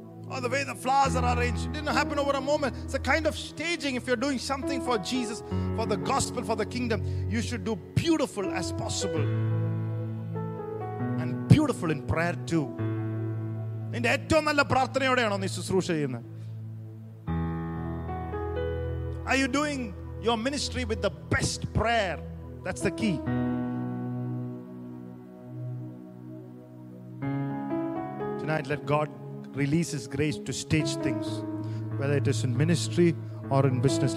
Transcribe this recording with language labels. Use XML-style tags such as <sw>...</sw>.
<en>Or the way the flowers are arranged, it didn't happen over a moment. It's a kind of staging. If you're doing something for Jesus, for the gospel, for the kingdom, you should do beautiful as possible. Beautiful in prayer too.</en> <ml>നിന്റെ ഏറ്റവും നല്ല പ്രാർത്ഥനയോടെയാണോ നീ ശുശ്രൂഷ ചെയ്യുന്നത്?</ml> <en>Are you doing your ministry with the best prayer? That's the key. Tonight, let God release His grace to stage things, whether it is in ministry or in business.</en>